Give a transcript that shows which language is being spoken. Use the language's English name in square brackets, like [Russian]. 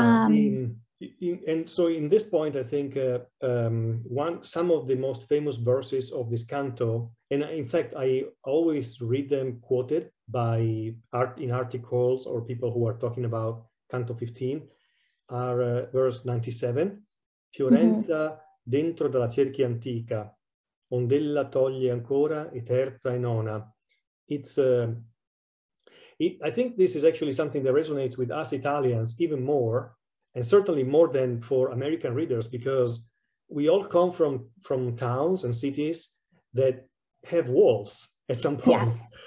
[English] And so in this point, I think some of the most famous verses of this canto, and in fact, I always read them quoted by in articles or people who are talking about Canto 15, are verse 97. [Italian] Fiorenza dentro dalla cerchia antica, ondella toglie ancora e terza e nona. [English] I think this is actually something that resonates with us Italians even more. And certainly more than for American readers, because we all come from towns and cities that have walls at some point. Yes.